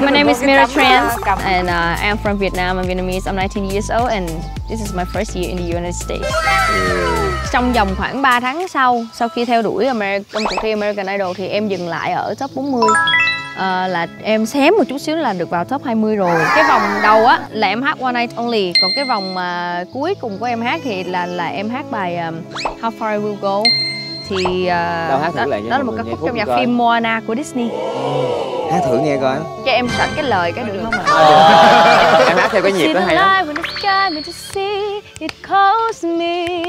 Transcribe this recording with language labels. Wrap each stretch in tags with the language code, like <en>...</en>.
<en>my name is Mira Tran, and I'm from Vietnam. I'm Vietnamese. I'm 19 years old, and this is my first year in the United States.</en> <vi>Trong vòng khoảng 3 tháng sau khi theo đuổi trong cuộc thi American Idol thì em dừng lại ở top 40. Là em xém một chút xíu là được vào top 20 rồi. Cái vòng đầu á là em hát One Night Only, còn cái vòng cuối cùng của em hát thì là em hát bài How Far I Will Go. Thì hát đó là một ca khúc trong nhạc phim Moana của Disney. Hát thử nghe coi. Cho em sạch cái lời cái được không ạ? Em hát theo cái nhịp đó hay lắm.</vi> <en>When the sky begins to see, it calls me.</en>